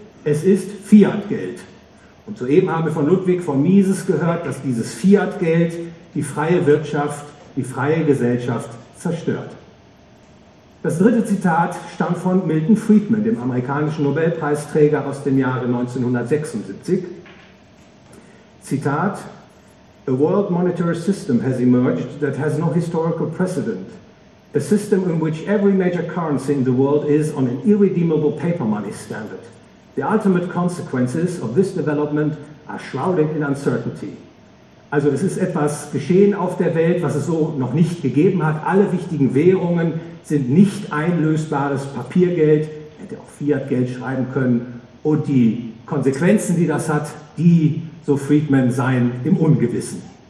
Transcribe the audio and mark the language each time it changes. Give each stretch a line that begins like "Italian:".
German: Es ist Fiat-Geld. Und soeben haben wir von Ludwig von Mises gehört, dass dieses Fiat-Geld die freie Wirtschaft, die freie Gesellschaft zerstört. Das dritte Zitat stammt von Milton Friedman, dem amerikanischen Nobelpreisträger aus dem Jahre 1976.
English: Zitat: A world monetary system has emerged that has no historical precedent. A system in which every major currency in the world is on an irredeemable paper money standard. The ultimate consequences of this development are shrouded in uncertainty.
German: Also es ist etwas geschehen auf der Welt, was es so noch nicht gegeben hat. Alle wichtigen Währungen sind nicht einlösbares Papiergeld, hätte auch Fiat-Geld schreiben können. Und die Konsequenzen, die das hat, die, so Friedman, seien im Ungewissen.